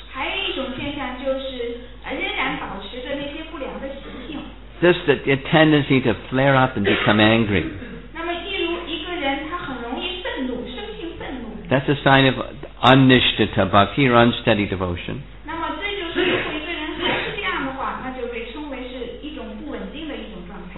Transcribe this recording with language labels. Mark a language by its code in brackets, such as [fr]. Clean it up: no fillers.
[zh] 还有一种现象就是仍然保持着那些不良的习性。 [en] Just the tendency to flare up and become angry. [zh] 那么例如一个人他很容易愤怒，生性愤怒。 [en] That's a sign of unnishtita bhakti or unsteady devotion. [zh] 那么这就是如果一个人还是这样的话，那就被称为是一种不稳定的一种状态。